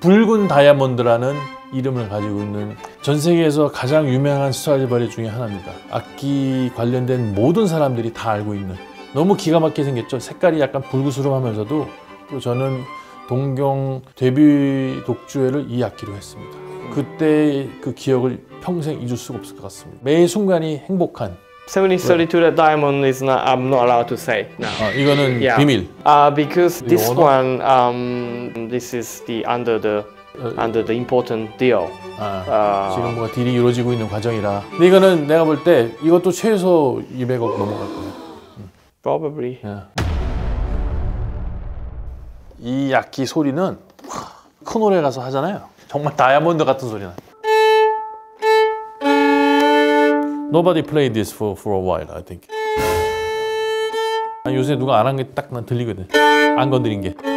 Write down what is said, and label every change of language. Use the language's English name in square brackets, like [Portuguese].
[Korean] 붉은 다이아몬드라는 이름을 가지고 있는 전 세계에서 가장 유명한 스트라디바리 중에 하나입니다. 악기 관련된 모든 사람들이 다 알고 있는. 너무 기가 막히게 생겼죠. 색깔이 약간 불그스름하면서도 또 저는 동경 데뷔 독주회를 이 악기로 했습니다. 그때 그 기억을 평생 잊을 수가 없을 것 같습니다. 매 순간이 행복한. [English] 7032 Red Diamond is not, I'm not allowed to say now. [Korean] 아, 이거는 yeah. 비밀. [English] Because this one, this is the under the important deal. [Korean] 아, 지금 뭐가 딜이 이루어지고 있는 과정이라. 근데 이거는 내가 볼 때 이것도 최소 200억 넘어갈 거야. [English] Probably. Yeah. [Korean] 이 악기 소리는 큰 홀에 가서 하잖아요. 정말 다이아몬드 같은 소리나. [English] Nobody played this for a while, I think. [Korean] 요새 누가 안 한 게 딱 난 들리거든. 안 건드린 게.